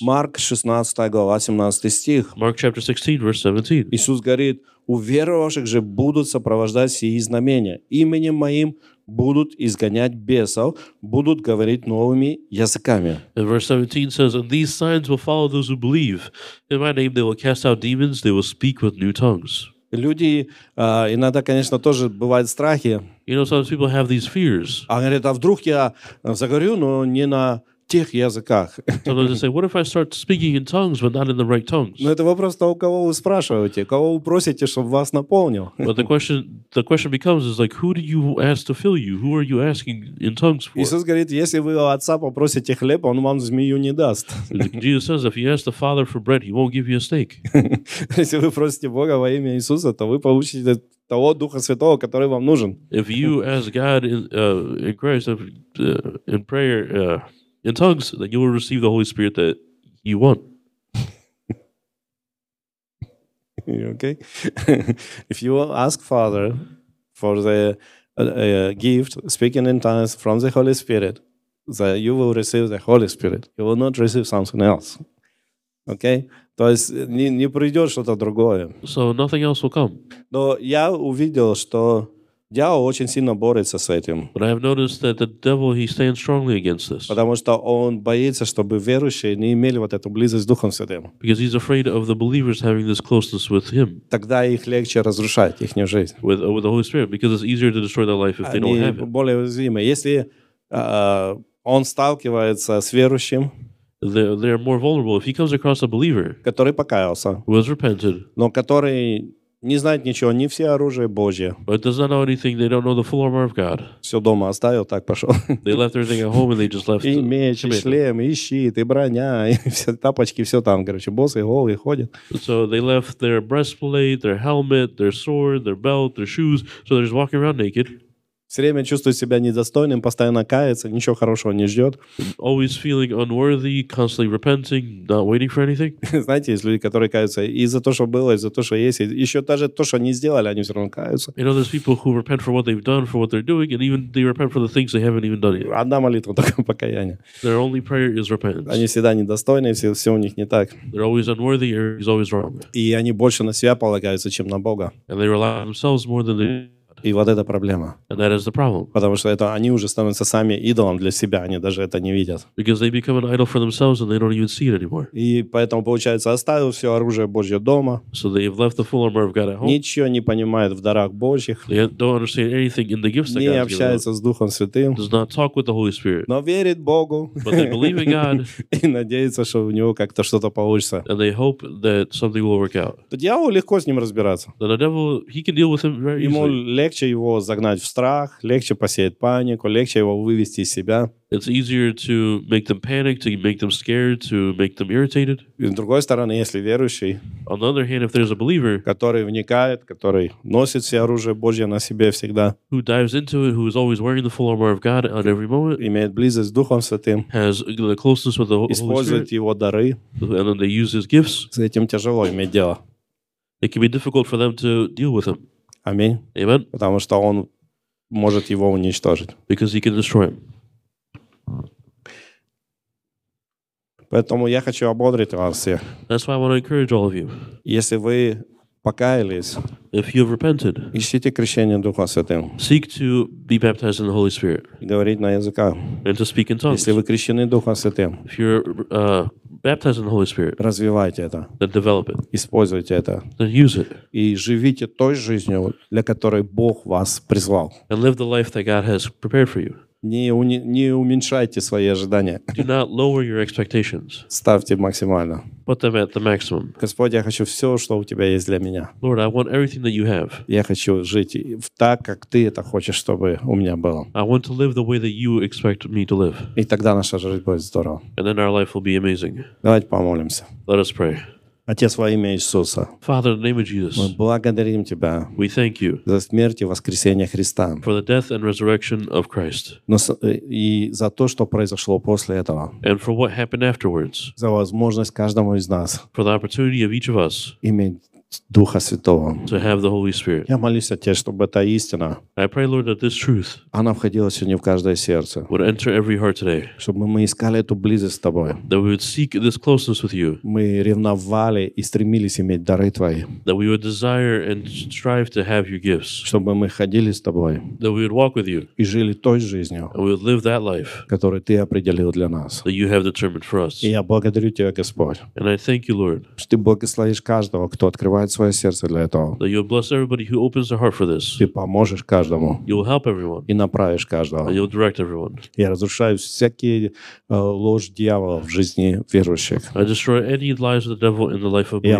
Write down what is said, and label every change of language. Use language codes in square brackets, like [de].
[ru] Марк 16, глава 17 стих. [en] Mark chapter 16, verse 17. [ru] Иисус говорит, уверовавших же будут сопровождать сии знамения именем Моим, будут изгонять бесов, будут говорить новыми языками. [en] And verse 17 says, and these signs will follow those who believe. In my name they will cast out demons, they will speak with new tongues. [ru] Люди, иногда, конечно, тоже бывают страхи. [en] You know, sometimes people have these fears. [ru] А говорят, а вдруг я заговорю, но не на тех языках. [en] So they say, what if I start speaking in tongues, but not in the right tongues? [ru] Но это вопрос того, кого вы спрашиваете, кого вы просите, чтобы вас наполнил. [en] But the question becomes is like, who do you ask to fill you? Who are you asking in tongues for? [ru] Иисус говорит, если вы у Отца попросите хлеб, Он вам змею не даст. [en] Jesus says, if you ask the Father for bread, He won't give you a snake. [ru] Если вы просите Бога во имя Иисуса, то вы получите того Духа Святого, который вам нужен. [en] If you ask God in Christ in prayer, in tongues, then you will receive the Holy Spirit that you want. Okay. If you ask Father for the gift, speaking in tongues from the Holy Spirit, that you will receive the Holy Spirit. You will not receive something else. Okay? [ru] То есть не придет что-то другое. [en] So nothing else will come. [ru] Но я увидел, что дьявол очень сильно борется с этим. [en] But I have noticed that the devil, he stands strongly against this. [ru] Потому что он боится, чтобы верующие не имели вот эту близость с Духом Святым. [en] Because he's afraid of the believers having this closeness with him. [ru] Тогда их легче разрушать, их жизнь. [en] With the Holy Spirit, because it's easier to destroy their life if [ru] они [en] they don't have it. [ru] Более уязвимы. Если он сталкивается с верующим, [en] they're more vulnerable if he comes across a believer, [ru] который покаялся, [en] who has repented, [ru] но который не знают ничего, не все оружие Божье. [en] But does not know anything. They don't know the full armor of God. [ru] Все дома оставил, так пошел. [en] They left everything at home and they just left. [ru] И меч, и шлем, и щит, и броня, и все тапочки, все там, короче, босы голые ходят. [en] So they left their breastplate, their helmet, their sword, their belt, their shoes. So they're just walking around naked. [ru] Все время чувствует себя недостойным, постоянно кается, ничего хорошего не ждет. [en] Always feeling unworthy, constantly repenting, not waiting for anything. [ru] Знаете, есть люди, которые каются и за то, что было, и за то, что есть, и еще даже то, что не сделали, они все равно каются. [en] You know, there's people who repent for what they've done, for what they're doing, and even they repent for the things they haven't even done yet. [ru] Одна молитва только покаяние. [en] Their only prayer is repentance. [ru] Они всегда недостойны, все, все у них не так. [en] They're always unworthy, everything's always wrong. [ru] И они больше на себя полагаются, чем на Бога. [en] And they rely on themselves more than they. [ru] И вот это проблема. [en] And that is the problem. [ru] Потому что это они уже становятся сами идолом для себя, они даже это не видят. [en] Because they become an idol for themselves and they don't even see it anymore. [ru] И поэтому, получается, оставил все оружие Божье дома. [en] So they've left the full armor of God at home. [ru] Ничего не понимает в дарах Божьих. [en] They don't understand anything in the gifts that God's given. [ru] Не общается с Духом Святым. [en] Does not talk with the Holy Spirit. [ru] Но верит Богу. [en] But they believe in God. [ru] И надеется, что у него как-то что-то получится. [en] And they hope that something will work out. [ru] То дьяволу легко с ним разбираться. [en] The devil, he can deal with him very easily. [ru] Легче его загнать в страх, легче посеять панику, легче его вывести из себя. [en] It's easier to make them panic, to make them scared, to make them irritated. [ru] И с другой стороны, если верующий, [en] on the other hand, if there's a believer, [ru] который вникает, который носит все оружие Божье на себе всегда, [en] who dives into it, who is always wearing the full armor of God at every moment, [ru] имеет близость с Духом Святым, [en] has the closeness with the Holy Spirit, [ru] использует его дары, [en] and then they use his gifts, [ru] с этим тяжело иметь дело. [en] It can be difficult for them to deal with him. [ru] Аминь. [en] Amen. [ru] Потому что он может его уничтожить. [en] Because he can destroy him. [ru] Поэтому я хочу ободрить вас всех. [en] That's why I want to encourage all of you. [ru] Если вы покаялись, [en] if you've repented, [ru] ищите крещение Духа Святым. [en] Seek to be baptized in the Holy Spirit. [ru] Говорить на языках. [en] And to speak in tongues. [ru] Если вы крещены Духом Святым, [en] if you're baptized in the Holy Spirit, [ru] развивайте это. [en] Then develop it. [ru] Используйте это. [en] Then use it. [ru] И живите той жизнью, для которой Бог вас призвал. [en] And live the life that God has prepared for you. [ru] Не уменьшайте свои ожидания. [en] Do not lower your expectations. [ru] Ставьте максимально. [en] Put them at the maximum. [ru] Господь, я хочу все, что у тебя есть для меня. [en] Lord, I want everything that you have. [ru] Я хочу жить в так, как ты это хочешь, чтобы у меня было. [en] I want to live the way that you expect me to live. [ru] И тогда наша жизнь будет здорова. [en] And then our life will be amazing. [ru] Давайте помолимся. [en] Let us pray. [ru] Отец, во имя Иисуса, [en] Father, in the name of Jesus, [ru] мы благодарим Тебя, [en] we thank you, [ru] за смерть и воскресение Христа, [en] for the death and resurrection of Christ, [ru] но, и за то, что произошло после этого, [en] and for what happened afterwards, [ru] за возможность каждому из нас, [en] for the opportunity of each of us, [ru] иметь Духа Святого. [en] To have the Holy Spirit. [ru] Я молюсь, Отец, чтобы эта истина, [en] I pray, Lord, that this truth, [ru] она входила сегодня в каждое сердце, [en] would enter every heart today, [ru] чтобы мы искали эту близость с Тобой, [en] that we would seek this closeness with you, [ru] мы ревновали и стремились иметь дары Твои. [en] That we would desire and strive to have your gifts. [ru] Чтобы мы ходили с Тобой. [en] That we would walk with you. [ru] И жили той жизнью. [en] And we would live that life. [ru] Которую Ты определил для нас. [en] That you have determined for us. [ru] И я благодарю Тебя, Господь. [en] And I thank you, Lord. [ru] Что Ты благословишь каждого, кто открывает свое сердце для этого. [en] That you will bless everybody who opens their heart for this. [ru] Ты поможешь каждому. [en] You will help everyone. [ru] И направишь каждого. [en] And you will direct everyone. [ru] Я разрушаю всякие ложь дьявола в жизни верующих. [en] I destroy any lies of the devil in the life of believers.